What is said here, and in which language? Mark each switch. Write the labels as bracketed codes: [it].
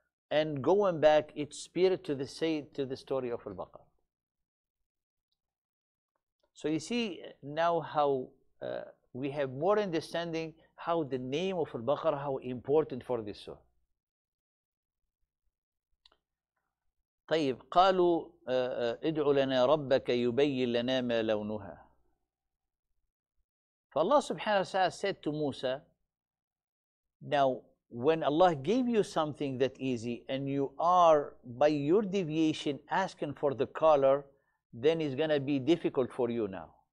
[en] And going back, its spirit to the say, to the story of Al-Baqarah. So you see now how we have more understanding how the name of Al-Baqarah, how important for this surah. [ar] طيب قالوا ادعوا لنا ربك يبين لنا ما لونها. فالله سبحانه وتعالى [en] said to Musa, now when Allah gave you something that easy and you are by your deviation asking for the color, then it's going to be difficult for you now.